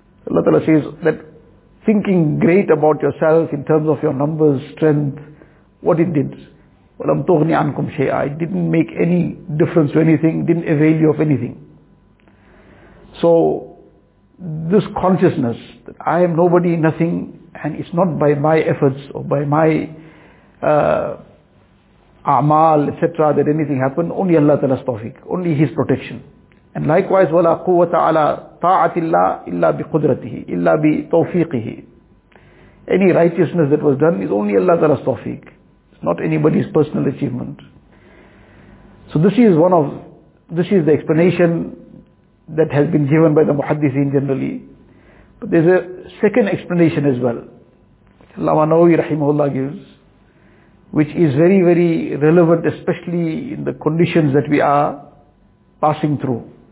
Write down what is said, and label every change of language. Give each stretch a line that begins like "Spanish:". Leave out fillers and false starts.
English: Allah Ta'ala says that thinking great about yourself in terms of your numbers, strength, what it did,
Arabic: وَلَمْ تُغْنِ عَنْكُمْ شَيْئًا,
English: it didn't make any difference to anything, didn't avail you of anything. So this consciousness that I am nobody, nothing, and it's not by my efforts or by my a'mal, etc., that anything happened, only Allah Ta'ala's tawfiq, only His protection.
Arabic: And likewise, وَلَا قُوَّةَ عَلَىٰ طَاعَةِ اللَّهِ إِلَّا بِقُدْرَتِهِ إِلَّا بِتَوْفِيقِهِ.
English: Any righteousness that was done is only Allah Ta'ala's tawfiq, it's not anybody's personal achievement. So this is the explanation that has been given by the muhaddithin generally. But there's a second explanation as well, which Allama Nawawi rahimahullah gives, which is very, very relevant, especially in the conditions that we are passing through.